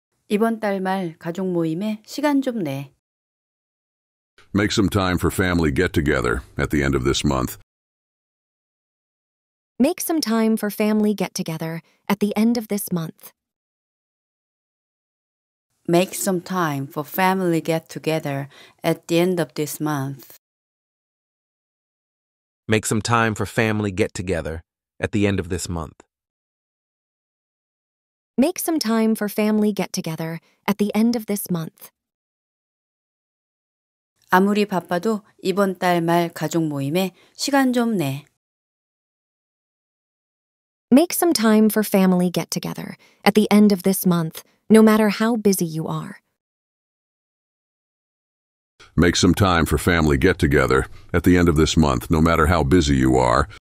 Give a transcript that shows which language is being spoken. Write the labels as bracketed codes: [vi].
[ko] 이번 달 말 가족 모임에 시간 좀 내. [en] Make some time for family get together at the end of this month. Make some time for family get together at the end of this month. Make some time for family get together at the end of this month. Make some time for family get together at the end of this month. Make some time for family get together at the end of this month. [ko] 아무리 바빠도 이번 달 말 가족 모임에 시간 좀 내. [en] Make some time for family get together at the end of this month, no matter how busy you are. Make some time for family get together at the end of this month, no matter how busy you are.